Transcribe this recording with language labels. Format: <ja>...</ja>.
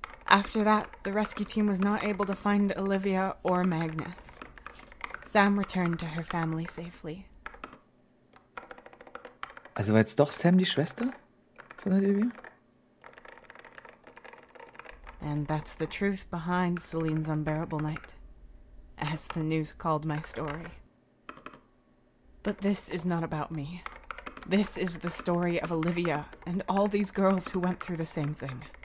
<en>After that, the rescue team was not able to find Olivia or Magnus. Sam returned to her family safely.</en> <de>Also war jetzt doch Sam die Schwester von Olivia?</de> <en>And that's the truth behind Celine's unbearable night, as the news called my story. But this is not about me. This is the story of Olivia and all these girls who went through the same thing.</en>